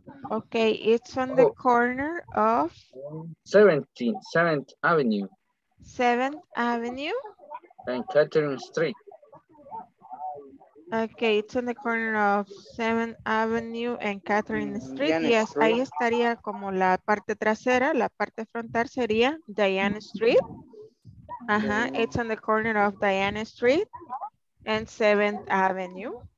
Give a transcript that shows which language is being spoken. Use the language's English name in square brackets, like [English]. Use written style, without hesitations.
[English] Okay, it's on the corner of 7th Avenue. 7th Avenue? And Catherine Street. Okay, it's on the corner of 7th Avenue and Catherine Street. [Spanish] Diana, yes, Street. Ahí estaría como la parte trasera, la parte frontal sería Diana Street. [English] Uh-huh, it's on the corner of Diana Street and 7th Avenue.